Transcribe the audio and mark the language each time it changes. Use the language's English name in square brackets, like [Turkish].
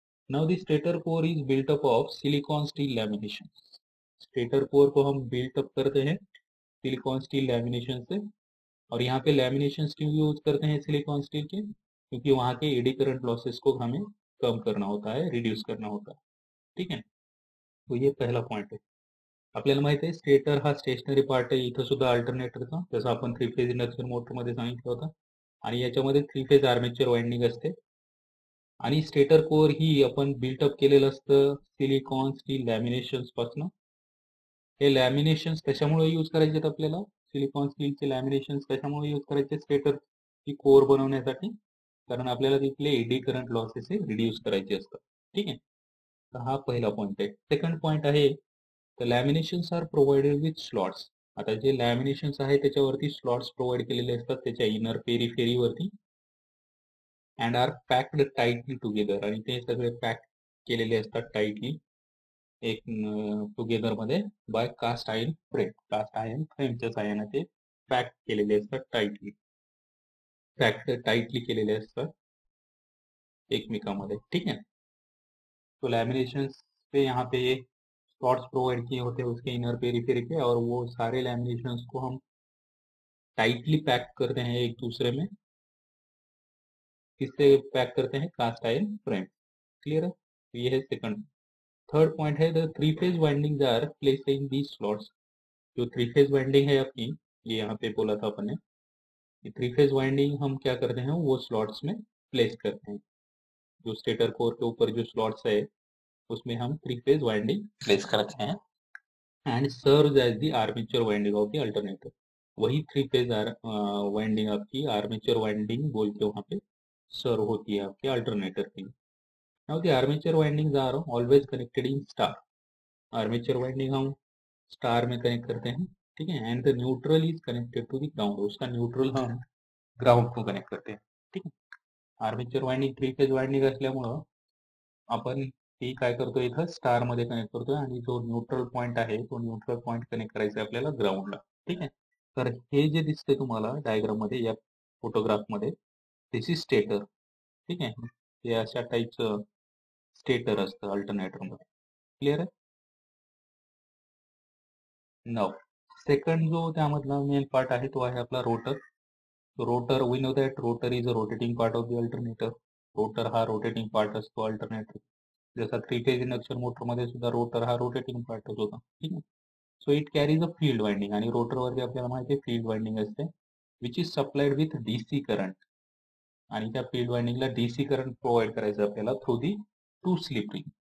[English] now the stator core is built up of silicon steel lamination, [Hindi] stator core को हम built up करते हैं silicon steel lamination से। और यहाँ पे लैमिनेशन क्यों यूज करते हैं सिलिकॉन स्टील के, क्योंकि वहां के एडी करंट लॉसेस को हमें कम करना होता है, रिड्यूस करना होता है, ठीक है। [Marathi] तो ये पहला पॉइंट है, आपल्याला माहित आहे स्टेटर हा स्टेशनरी पार्ट आहे, इथं सुद्धा अल्टरनेटरचा, जसं आपण थ्री फेज इंडक्शन मोटर मध्ये सांगितलं होतं, आणि याच्यामध्ये थ्री फेज आर्मेचर वाइंडिंग असते, आणि स्टेटर कोर ही आपण बिल्ट अप केलेलं असतं सिलिकॉन स्टील लॅमिनेशन पासून। हे लॅमिनेशन कशामुळे यूज करायचे आहेत आपल्याला, सिलिकॉन स्टीलचे लॅमिनेशन कशामुळे यूज करायचे, स्टेटर की कोर बनवण्यासाठी, कारण आपल्याला तिथले एडी करंट लॉसेस हे रिड्यूस करायचे असतात, ठीक आहे। तर हा पहिला पॉइंट आहे। सेकंड पॉइंट आहे, [English] the lamination are provided with slots, [Marathi] आता जे लॅमिनेशन आहे त्याच्यावरती स्लॉट्स प्रोव्हाइड केलेले असतात त्याच्या inner पेरीफेरीवरती, [English] and are packed tightly together, [Marathi] आणि ते सगळे पॅक केलेले असतात टाईटली एक टुगेदर मध्ये bye caste ion frame, caste ion फ्रेमच्या साह्याने ते पॅक केलेले असतात टाईटली, पॅक्ड टाईटली केलेले असतात एकमेकांमध्ये, ठीक आहे। तो लॅमिनेशन [Hindi] यहाँ पे ये स्पॉट्स प्रोवाइड किए होते हैं उसके इनर पेरिफेरी पे, और वो सारे लैमिनेशंस को हम टाइटली पैक कर रहे हैं एक दूसरे में, किससे पैक करते हैं, कास्ट आयरन फ्रेम, क्लियर है। तो ये है सेकंड। थर्ड पॉइंट है [English] The three phase windings are place in the slots. [Hindi] जो थ्री फेज वाइंडिंग है अपनी, ये यहाँ पे बोला था अपने, कि थ्री फेज वाइंडिंग हम क्या करते हैं वो स्लॉट्स में प्लेस करते हैं, जो स्टेटर कोर के ऊपर जो स्लॉट्स है उसमें हम थ्री फेज वाइंडिंग प्लेस करते हैं, [English] And serve as the armature winding of the alternator. [Hindi] वही थ्री फेज वाइंडिंग आपकी आर्मेचर वाइंडिंग बोल के वहाँ पे सर्व होती है आपके अल्टरनेटर के। [English] Now the armature windings are always connected in star. [Hindi] Armature winding हम स्टार में कनेक्ट करते हैं, ठीक है, [English] And the neutral is connected to the ground. [Hindi] उसका न्यूट्रल हम ग्राउंड को कनेक्ट करते हैं, ठीक है। [Marathi] Armature winding three phase winding असल्यामुळं आपण ती काय करतो, इथं स्टार मध्ये कनेक्ट करतो, आणि जो न्यूट्रल पॉइंट आहे तो न्यूट्रल पॉइंट कनेक्ट करायचा आहे आपल्याला ग्राउंडला, ठीक आहे। तर हे जे दिसते तुम्हाला डायग्राम मध्ये या फोटोग्राफ मध्ये, [English] this is stator, [Marathi] ठीक आहे, हे अशा टाईपचं स्टेटर असतं अल्टरनेटर मध्ये, क्लिअर आहे। नाउ सेकंड जो त्यामधला मेन पार्ट आहे तो आहे आपला rotor. [English] Rotor we know that rotor is a rotating part of the alternator. [Marathi] Rotor हा रोटेटिंग पार्ट असतो अल्टरनेटर, जसा थ्री फेज इंडक्शन मोटर मध्ये सुद्धा रोटर हा रोटेटिंग पार्ट होता, ठीक आहे। [English] so it carries a field winding, [Marathi] आणि रोटर वरती आपल्याला माहिती आहे फील्ड वाइंडिंग असते, [English] which is supplied with DC current, [Marathi] आणि त्या फील्ड वाइंडिंगला डीसी करंट प्रोव्हाइड करायचं आपल्याला through the to slip ring.